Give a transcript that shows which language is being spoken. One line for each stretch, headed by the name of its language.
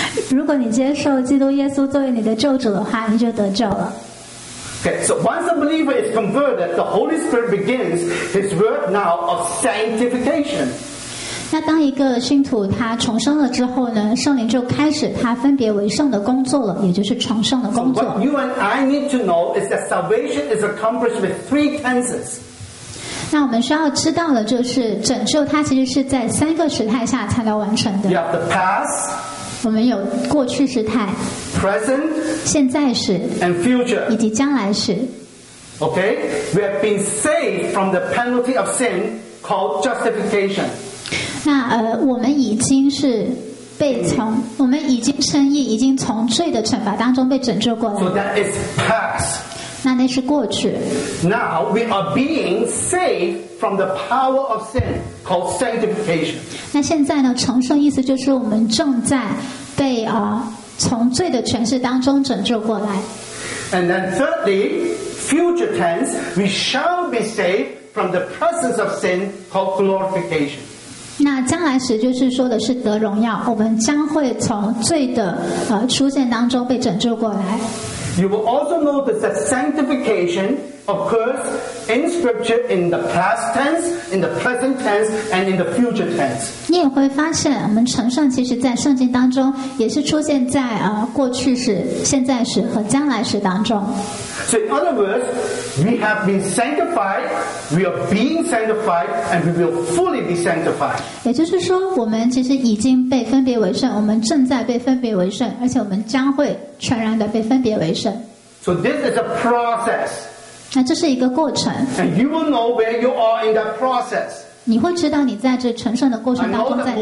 Chinese: 如果你接受基督耶稣作为你的救主的话，你就得救了。
English: Okay, so once a believer is converted, the Holy Spirit begins His work now of sanctification.
Chinese: 那当一个信徒他重生了之后呢，圣灵就开始他分别为圣的工作了，也就是重生的工作。
English: So what you and I need to know is that salvation is accomplished with three tenses.
Chinese: 那我们需要知道的就是拯救它其实是在三个时态下才能完成的。
English: You have the past,
Chinese: 我们有过去时态
English: present,
Chinese: 现在时
English: and future,
Chinese: 以及将来时。
English: Okay, we have been saved from the penalty of sin called justification.
Chinese: 那我们已经是被从我们已经称义，已经从罪的惩罚当中被拯救过来。
English: So that is past.
Chinese: 那是过去。
English: Now we are being saved from the power of sin called sanctification.
Chinese: 那现在呢？重生意思就是我们正在被从罪的权势当中拯救过来。
English: And then thirdly, future tense, we shall be saved from the presence of sin called glorification.
Chinese: 那将来时就是说的是得荣耀，我们将会从罪的出现当中被拯救过来。
English: You will also notice that sanctification occurs in Scripture in the past tense, in the present tense, and in the future tense.
Chinese: 你也会发现，我们成圣其实在圣经当中也是出现在过去时、现在时和将来时当中。
English: So in other words, we have been sanctified, we are being sanctified, and we will fully be sanctified.
Chinese: 也就是说，我们其实已经被分别为圣，我们正在被分别为圣，而且我们将会全然的被分别为圣。
English: So this is a process.
Chinese: 那这是一个过程。
English: And you will know where you are in that process.
Chinese: 你会知道你在这成圣的过程当中在哪里。